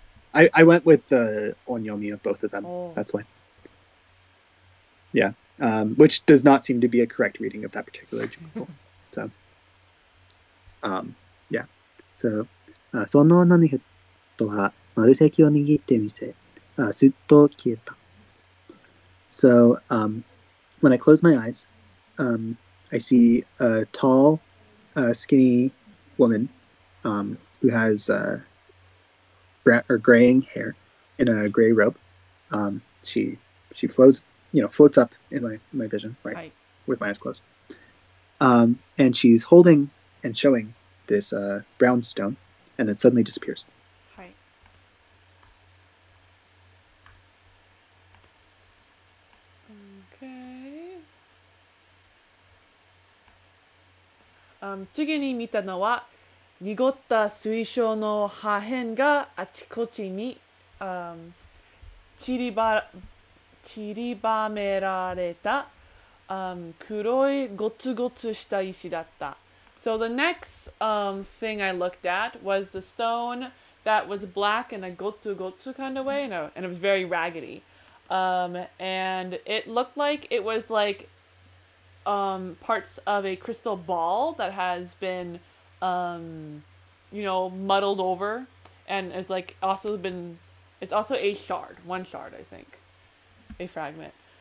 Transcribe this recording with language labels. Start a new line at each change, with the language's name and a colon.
English: I went with the onyomi of both of them, that's why. Yeah, which does not seem to be a correct reading of that particular jumbo. So, yeah. So,
Japanese: その女の人は丸石を握ってみせ、すっと消えた。
English: So, when I close my eyes, I see a tall, skinny woman who has graying hair in a gray robe. She flows, you know, floats up in my vision, right? With my eyes closed. And she's holding and showing this brown stone, and then suddenly disappears. Okay.
Japanese: 次に見たのは濁った水晶の破片があちこちに散りばめられた黒いゴツゴツした石だった。
English: So the next thing I looked at was the stone that was black in a gotsu gotsu kind of way, and it was very raggedy. And it looked like it was like parts of a crystal ball that has been, you know, muddled over, and it's like also been, it's also a shard, one shard, I think, a fragment.